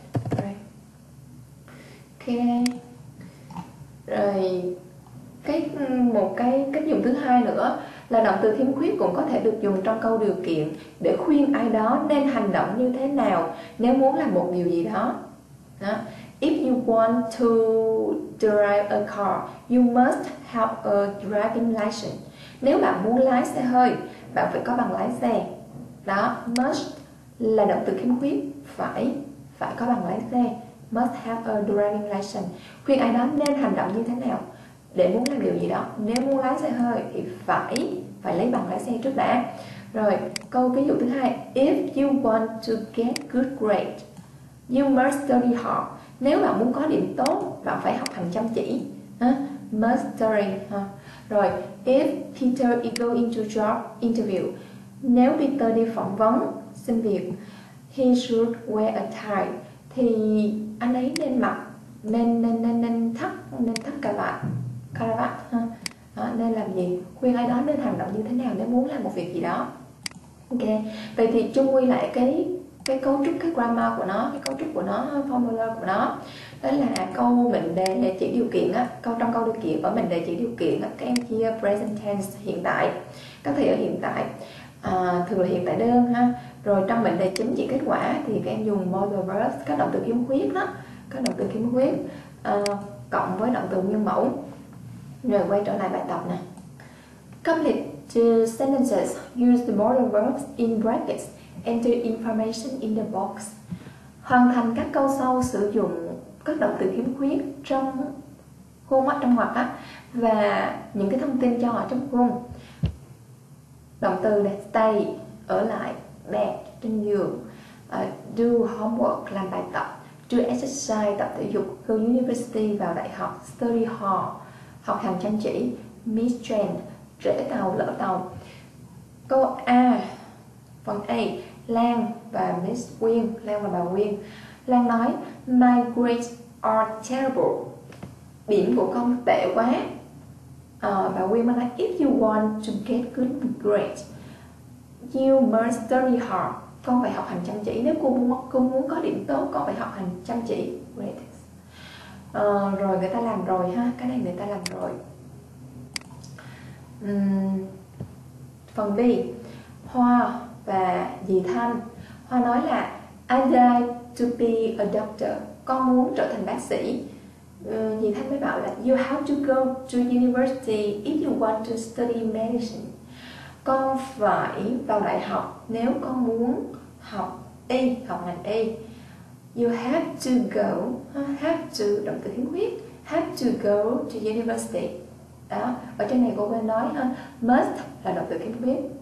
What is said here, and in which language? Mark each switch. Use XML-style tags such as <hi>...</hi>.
<vi>Ok. Rồi cái một cái cách dùng thứ hai nữa là động từ khiếm khuyết cũng có thể được dùng trong câu điều kiện để khuyên ai đó nên hành động như thế nào nếu muốn làm một điều gì đó. Đó.</vi> <en>If you want to drive a car, you must have a driving license.</en> <vi>Nếu bạn muốn lái xe hơi, bạn phải có bằng lái xe. Đó, must là động từ khiếm khuyết, phải có bằng lái xe.</vi> <en>Must have a driving license.</en> <vi>Khuyên ai đó nên hành động như thế nào để muốn làm điều gì đó. Nếu muốn lái xe hơi thì phải lấy bằng lái xe trước đã. Rồi, câu ví dụ thứ hai.</vi> <en>If you want to get good grade, you must study hard.</en> <vi>Nếu bạn muốn có điểm tốt, bạn phải học hành chăm chỉ.</vi> <en>Must study.</en> <vi>Rồi,</vi> <en>if Peter is going to job interview,</en> <vi>nếu Peter đi phỏng vấn xin việc,</vi> <en>he should wear a tie.</en> <vi>Thì anh ấy nên mặc nên nên nên nên thắt cà vạt ha. Nên làm gì, khuyên ai đó nên hành động như thế nào nếu muốn làm một việc gì đó. Ok, vậy thì chung quy lại cái cấu trúc, cái grammar của nó, cái cấu trúc của nó, formula của nó, đó là câu mệnh đề chỉ điều kiện á, câu trong câu điều kiện và mệnh đề chỉ điều kiện á, các em chia present tense hiện tại, các thể ở hiện tại, thường là hiện tại đơn ha. Rồi trong mệnh đề chính chỉ kết quả thì các em dùng modal verb, các động từ khiếm khuyết đó, các động từ khiếm khuyết cộng với động từ nguyên mẫu. Rồi quay trở lại bài tập nè.</vi> <en>Complete two sentences use the modal verbs in brackets. Enter information in the box.</en> <vi>Hoàn thành các câu sau sử dụng các động từ khiếm khuyết trong khuôn mắt, trong ngoặc á, và những cái thông tin cho họ trong khuôn. Động từ này stay, ở lại, bed, trên giường.</vi> <en>Do homework,</en> <vi>làm bài tập.</vi> <en>Do exercise,</en> <vi>tập thể dục.</vi> <en>Go university,</en> <vi>vào đại học.</vi> <en>Study hard,</en> <vi>học hành chăm chỉ.</vi> <en>Miss train,</en> <vi>trễ tàu, lỡ tàu. Câu A, phần A, Lan và Miss Nguyên, Lan và bà Nguyên. Lan nói,</vi> <en>my grades are terrible.</en> <vi>Điểm của con tệ quá. Bà Nguyên mới nói,</vi> <en>if you want to get good grades, you must study hard.</en> <vi>Con phải học hành chăm chỉ. Nếu cô muốn có điểm tốt, con phải học hành chăm chỉ. Great. Rồi người ta làm rồi ha. Cái này người ta làm rồi. Phần B, Hoa và dì Thanh. Hoa nói là</vi> <en>I'd like to be a doctor.</en> <vi>Con muốn trở thành bác sĩ. Dì Thanh mới bảo là</vi> <en>you have to go to university if you want to study medicine.</en> <vi>Con phải vào đại học nếu con muốn học ngành y.</vi> <en>You have to go, have to,</en> <vi>động từ khiếm khuyết,</vi> <en>have to go to university.</en> <vi>Đó, ở trên này cô quên nói ha, must là động từ khiếm khuyết.</vi>